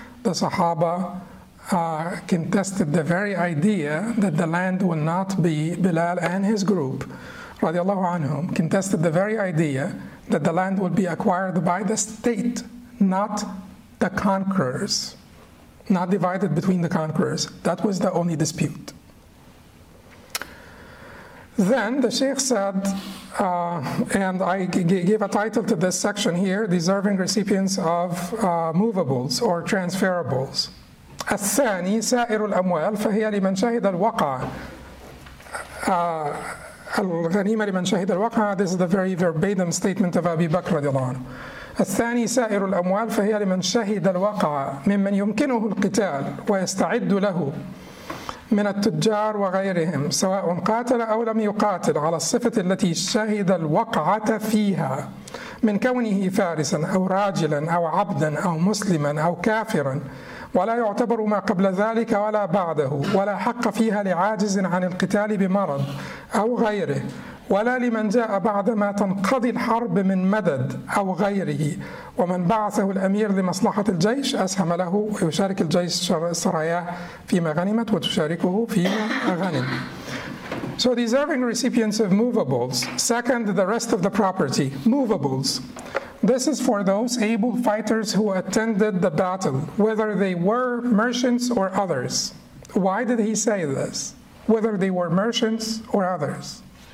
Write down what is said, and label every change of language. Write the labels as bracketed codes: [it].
[en] The Sahaba contested the very idea that the land will not be, Bilal and his group, radiallahu anhum, contested the very idea that the land would be acquired by the state, not the conquerors, not divided between the conquerors. That was the only dispute. Then the Sheikh said, and I give a title to this section here, deserving recipients of movables or transferables. [ar] الثاني سائر الأموال فهي لمن شهد الوقع. الغنيمة لمن شهد الوقع. This is the very verbatim statement of Abi Bakr radiallahu anhu. الثاني سائر الأموال فهي لمن شهد الوقع ممن يمكنه القتال ويستعد له. من التجار وغيرهم سواء قاتل أو لم يقاتل على الصفة التي شهد الوقعة فيها من كونه فارسا أو راجلا أو عبدا أو مسلما أو كافرا ولا يعتبر ما قبل ذلك ولا بعده ولا حق فيها لعاجز عن القتال بمرض أو غيره ولا لمن جاء بعدما تنقضي الحرب من مدد أو غيره. ومن بعثه الأمير لمصلحة الجيش أسهم له ويشارك الجيش سراياه فيما غنمت وتشاركه فيما غنم. [en] So deserving recipients of movables. Second, the rest of the property, movables. This is for those able fighters who attended the battle, whether they were merchants or others. Why did he say this? Whether they were merchants or others.